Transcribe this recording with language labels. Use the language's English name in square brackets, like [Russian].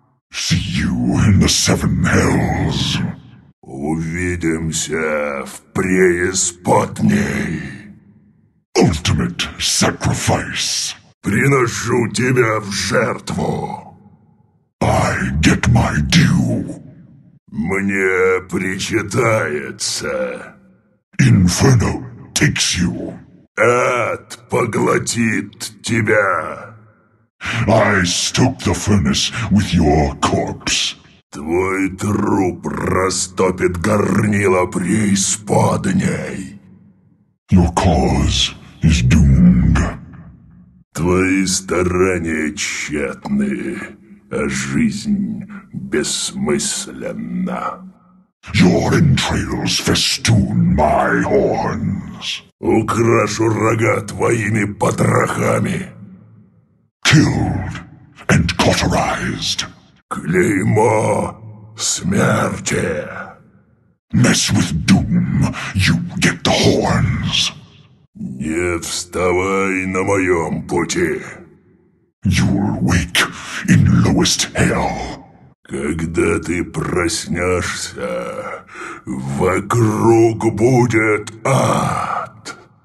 [English] See you in the seven hells. [Russian] Увидимся в преисподней. [English] Ultimate sacrifice. [Russian] Приношу тебя в жертву. [English] I get my due. [Russian] Мне причитается. [English] Inferno takes you. [Russian] Ад поглотит тебя. [English] I stoke the furnace with your corpse. [Russian] Твой труп растопит горнило преисподней. [English] Your cause is doomed. [Russian] Твои старания тщетны, а жизнь бессмысленна. [English] Your entrails festoon my horns. [Russian] Украшу рога твоими потрохами. [English] Killed and cauterized. [Russian] Клеймо смерти. [English] Mess with doom, you get the horns. [Russian] Не вставай на моем пути. [English] You'll wake in lowest hell. [Russian] Когда ты проснешься, вокруг будет ад.